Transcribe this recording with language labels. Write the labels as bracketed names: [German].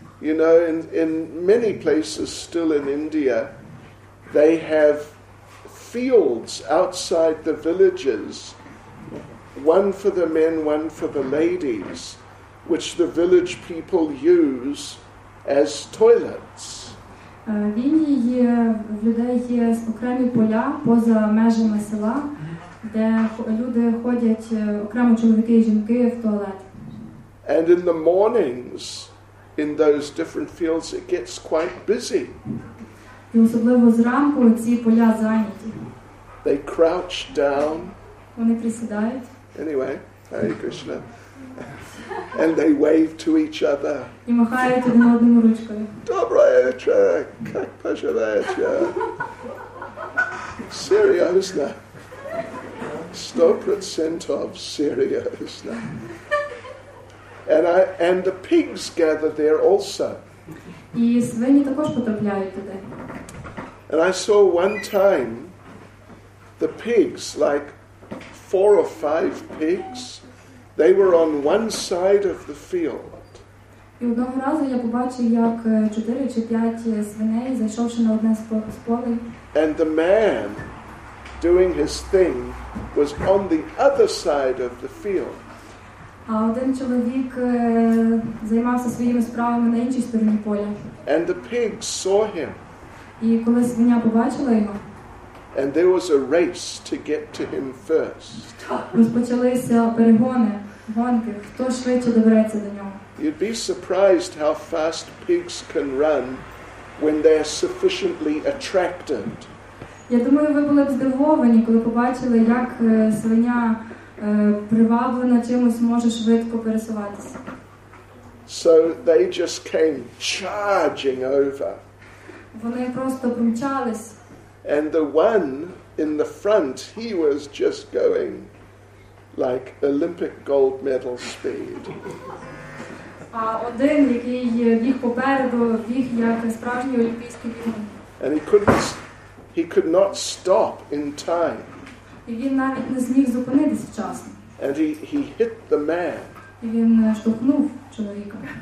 [English] You know, in many places still in India, they have fields outside the villages, one for the men, one for the ladies, which the village people use as toilets. [Ukrainian] В Індії є, в людей є окремі поля поза межами села, де люди ходять окремо чоловіки і жінки в туалет. [English] And in the mornings in those different fields it gets quite busy. [Ukrainian] І особливо зранку ці поля зайняті. [English] They crouch down. [Ukrainian] Вони присідають. [English] Anyway, Hare Krishna. And they wave to each other. [Ukrainian] І махають одне одному ручкою. [Russian] Доброе утро! Как поживаете? [Ukrainian] Серйозно? 100% серйозно. [English] And the pigs gather there also. [Ukrainian] І свині також потрапляють туди. [English] And I saw one time the pigs, like 4 or 5 pigs, they were on one side of the field. [Ukrainian] І одного разу я побачив, як 4 чи 5 свиней, зайшовши на одне з полей. [English] And the man doing his thing was on the other side of the field. [Ukrainian] А один чоловік займався своїми справами на іншій стороні поля. [English] And the pigs saw him. [Ukrainian] І коли свиня побачила його, [English] and there was a race to get to him first. [Ukrainian] Розпочалися перегони, гонки, хто швидше добереться до нього. [English] You'd be surprised how fast pigs can run when they're sufficiently attracted. [Ukrainian] Я думаю, ви були б здивовані, коли побачили, як свиня приваблена чимось може швидко пересуватися. [English] So they just came charging over. [Ukrainian] Вони просто примчались. [English] And the one in the front, he was just going like Olympic gold medal speed. [Ukrainian] А один, який біг попереду, біг як справжній олімпійський бігун. [English] And he could not stop in time. [Ukrainian] І він навіть не зміг зупинитись вчасно. [English] And he hit the man. [Ukrainian] І він штовхнув чоловіка.